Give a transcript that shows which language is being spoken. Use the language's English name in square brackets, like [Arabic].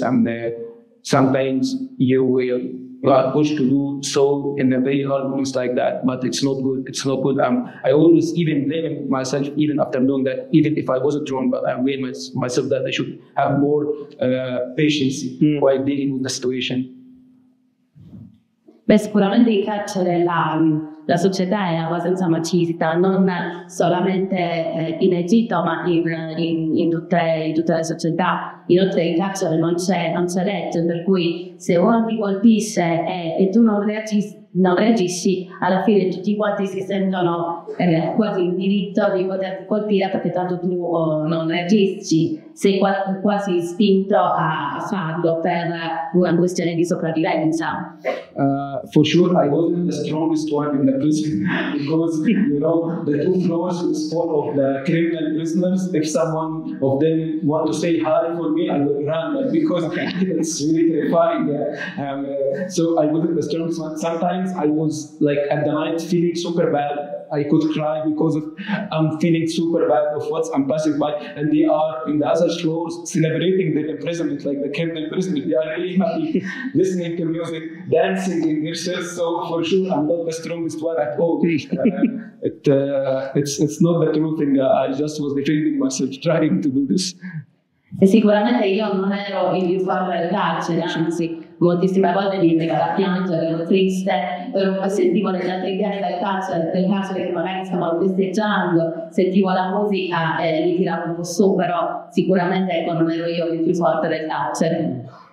[English] And, sometimes you are pushed to do so in a very hard moments like that, but it's not good. It's not good. I always even blame myself even after doing that, even if I wasn't wrong, but I blame myself that I should have more patience while dealing with the situation. [Italian] Beh, sicuramente in carcere la società è abbastanza machista, non solamente in Egitto, ma in tutte le società. Inoltre in carcere non c'è legge, per cui se uno ti colpisce e tu non reagisci, alla fine tutti quanti si sentono quasi in diritto di poter colpire, perché tanto tu non reagisci, sei quasi spinto a farlo per una questione di sopravvivenza. [English] For sure, I wasn't the strongest one in the prison, because, you know, the two floors is full of the criminal prisoners. If someone of them want to say hi for me, I would run, because it's really terrifying. So I wasn't the strongest one. Sometimes I was, like, at the night feeling super bad. I could cry because I'm feeling super bad of what I'm passing by, and they are in the other floors celebrating their imprisonment, like the criminal imprisonment. They are really happy, listening to music, dancing in their cells. So for sure, I'm not the strongest one at all. it's not the truth. I just was defending myself, trying to do this. [Italian] E sicuramente io non ero il più forte del carcere, anzi, moltissime volte mi veniva da piangere, ero triste, però poi sentivo le altre gare del carcere che magari stavano festeggiando, sentivo la musica e mi tiravo un po' su, però sicuramente non ero io il più forte del carcere.